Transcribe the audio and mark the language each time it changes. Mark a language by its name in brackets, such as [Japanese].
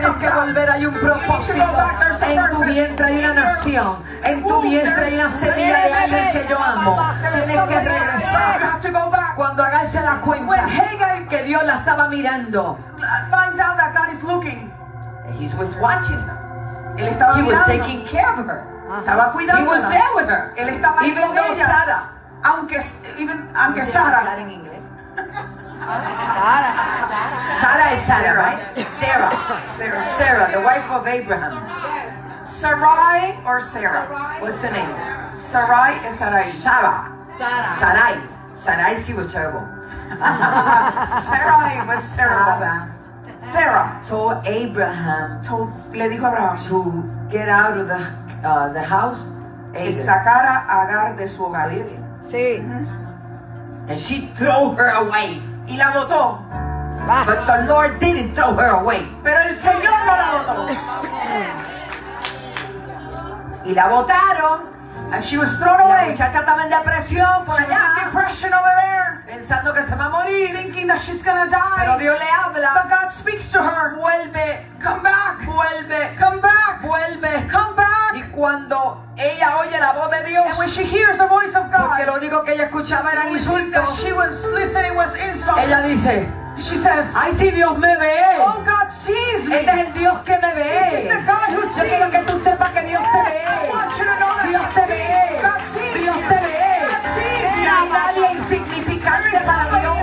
[Spanish] tienes que volver, hay un propósito. [English] You need to go back. There's a purpose. [Spanish] En tu vientre hay una nación. En tu vientre hay una semilla de alguien que yo amo. Tienes que regresar. [English] You have to go back. [Spanish] Cuando Agar se da cuenta que Dios la estaba mirando. [English] Finds out that God is looking. He was watching [Spanish] él estaba [English] he [Spanish] mirando. [English] Was taking care of her. [Spanish] Estaba cuidándola. [English] He was there with her. [Spanish] Él estaba ahí [English] even [Spanish] con ella. Sara. Aunque Sara. Sara en inglés. Sara es Sara, [English] right? [Spanish] Sarah. [English] Sarah. Sarah, the wife of Abraham. Sarai or Sarah? What's her name? Sarai is Sarai. [Spanish] Sara. [English] Sarah. Sarai. Sarai, she was terrible. Sarai was terrible. Sarah. Sarah told Abraham, [Spanish] le dijo a Abraham, [English] to get out of the house, [Spanish] que sacara a Agar de su hogar. Sí. [English] And she threw her away. [Spanish] Y la botó. [English] But the Lord didn't throw her away. [Spanish] Pero el Señor no la botó. Y la botaron. [English] And she was thrown away. [Spanish] La muchacha estaba en depresión por [English] she [Spanish] allá. [English] Was in depression over there. [Spanish] Pensando que se va a morir. [English] Thinking that she's gonna die. [Spanish] Pero Dios le habla. [English] But God speaks to her. [Spanish] Vuelve. [English] Come back. [Spanish] Vuelve. [English] Come back. [Spanish] Vuelve. [English] Come back. [Spanish] Y cuando ella oye la voz de Dios. [English] And when she hears the voice of God. [Spanish] Porque lo único que ella escuchaba eran insultos. [English] She was listening was insults. [Spanish] Ella dice. [English] She says, [Spanish] ay, si Dios me ve. [English] Oh, God sees me. [Spanish] Este es el Dios que me ve. [English] This is the God who sees me. [Spanish] Yo quiero que tú sepas que Dios te ve. Dios te ve. Dios te ve. No hay nadie insignificante para mí.